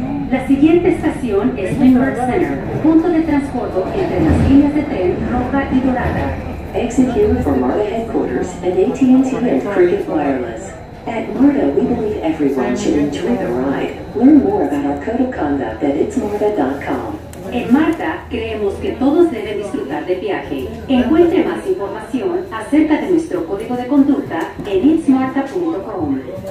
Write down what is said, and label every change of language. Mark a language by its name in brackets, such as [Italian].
[Spanish] La siguiente estación es Woodward Center, punto de transporte entre las líneas de tren roja y dorada. [English] Exit here for MARTA headquarters and AT&T and Cricket Wireless. At MARTA, we believe everyone should enjoy the ride. Learn more about our code of conduct at itsmarta.com. [Spanish] En MARTA, creemos que todos deben disfrutar del viaje. Encuentre más información acerca de nuestro código de conducta en itsmarta.com.